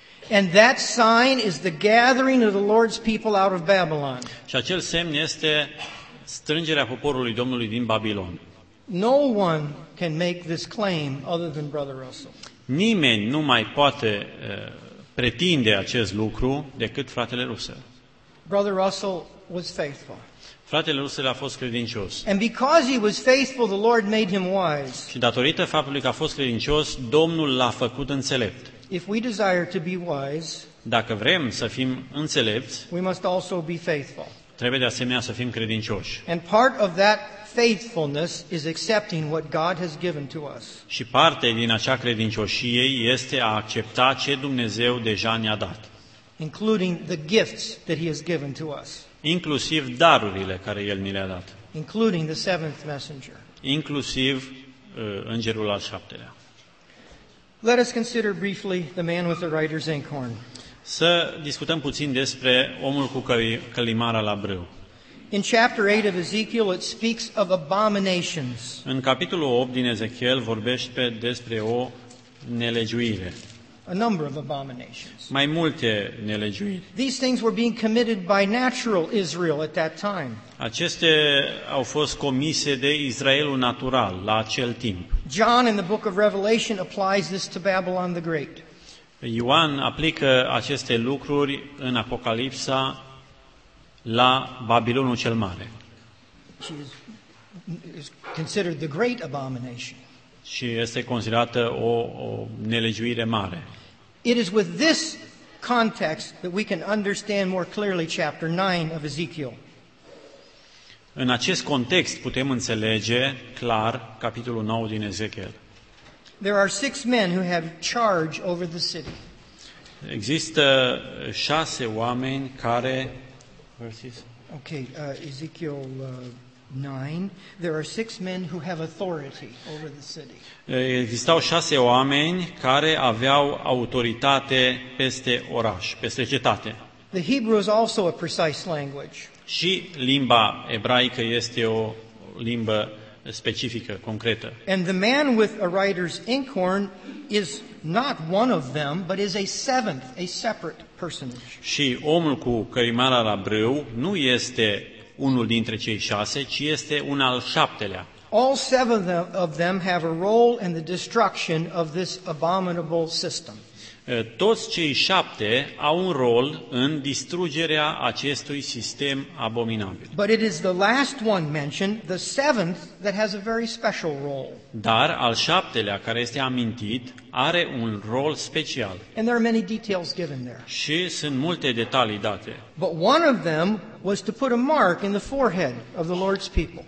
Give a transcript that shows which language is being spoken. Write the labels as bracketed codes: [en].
[en] And that sign is the gathering of the Lord's people out of Babylon. [ro] Și acel semn este strângerea poporului Domnului din Babilon. [en] No one can make this claim other than Brother Russell. [ro] Nimeni nu mai poate pretinde acest lucru decât fratele Russell. [en] Brother Russell was faithful. [ro] Fratele Russell a fost credincios. [en] And because he was faithful, the Lord made him wise. [ro] Și datorită faptului că a fost credincios, Domnul l-a făcut înțelept. [en] If we desire to be wise, [ro] dacă vrem să fim înțelepți, [en] we must also be faithful. [ro] Trebuie de asemenea să fim credincioși. [en] And part of that faithfulness is accepting what God has given to us. [ro] Și parte din acea credincioșie este a accepta ce Dumnezeu deja ne-a dat. [en] Including the gifts that he has given to us. [ro] Inclusiv darurile care el ni le-a dat. [en] Including the seventh messenger. [ro] Inclusiv îngerul al șaptelea. [en] Let us consider briefly the man with the writer's ink horn. [ro] Să discutăm puțin despre omul cu călimara la brâu. [en] In chapter 8 of Ezekiel it speaks of abominations. [ro] În capitolul 8 din Ezechiel vorbește despre o nelegiuire. [en] A number of abominations. [ro] Mai multe nelegiuiri. [en] These things were being committed by natural Israel at that time. [ro] Aceste au fost comise de Israelul natural la acel timp. [en] John in the book of Revelation applies this to Babylon the Great. [ro] Ioan aplică aceste lucruri în Apocalipsa la Babilonul cel Mare. [en] Is considered the great abomination. [ro] Și este considerată o nelegiuire mare. [en] It is with this context that we can understand more clearly chapter 9 of Ezekiel. [ro] În acest context putem înțelege clar capitolul 9 din Ezechiel. [en] There are six men who have charge over the city. [ro] Există 6 oameni care versus [en] okay, Ezekiel 9, there are 6 men who have authority over the city. [ro] Existau 6 oameni care aveau autoritate peste oraș, peste cetate. [en] The Hebrew is also a precise language. [ro] Și limba ebraică este o limbă specifică, concretă. [en] And the man with a writer's inkhorn is not one of them, but is a seventh, a separate personage. [ro] Și omul cu cărimara la brâu nu este unul dintre cei 6, ci este un al 7-lea. [en] All 7 of them have a role in the destruction of this abominable system. [ro] Toți cei 7 au un rol în distrugerea acestui sistem abominabil. [en] But it is the last one mentioned, the 7th, that has a very special role. [ro] Dar al 7-lea care este amintit are un rol special. [en] And there are many details given there. [ro] Și sunt multe detalii date. [en] But one of them was to put a mark in the forehead of the Lord's people.